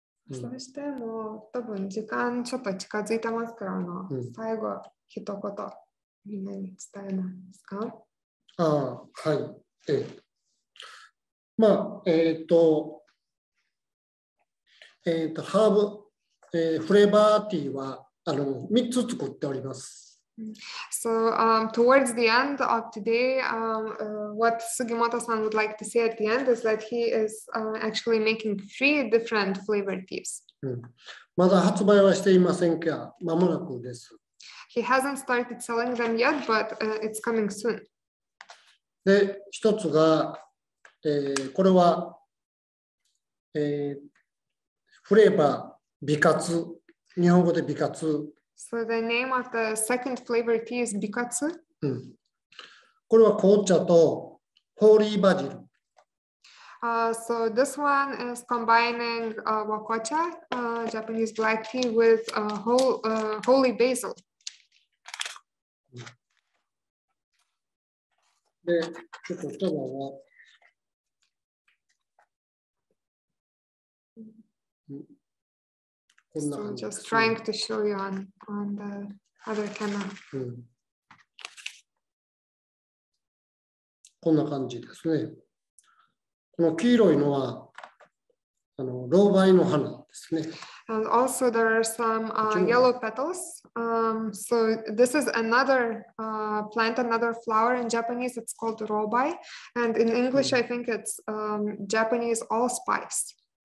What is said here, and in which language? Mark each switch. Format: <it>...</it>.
<ja>そしてもう多分時間ちょっと近づいてますからの最後一言。みんなに伝えないんですか？ああ、はい。ハーブ、フレーバーティーは3つ作っております。</ja> <en>So, towards the end of today, what Sugimoto-san would like to say at the end is that he is actually making 3 different flavor teas.</en> <ja>まだ発売はしていませんが、まもなくです。</ja> <en>He hasn't started selling them yet, but it's coming soon.</en> <ja>で、一つが、これは、フレーバー、美活、日本語で美活。</ja> <en>So the name of the second flavor tea is 美活。</en> <ja>うん。これは紅茶とホーリーバジル。</ja> <en>So this one is combining wakocha, Japanese black tea, with holy basil.</en> <ja>で、ちょっと言葉は、こんな感じ。</ja> <en>Just trying to show you on the other camera.</en> <ja>こんな感じですね。この黄色いのは、ロウバイの花ですね。</ja> <en>And also there are some yellow petals. So this is another plant, another flower in Japanese. It's called robai. And in English, I think it's Japanese allspice.</en>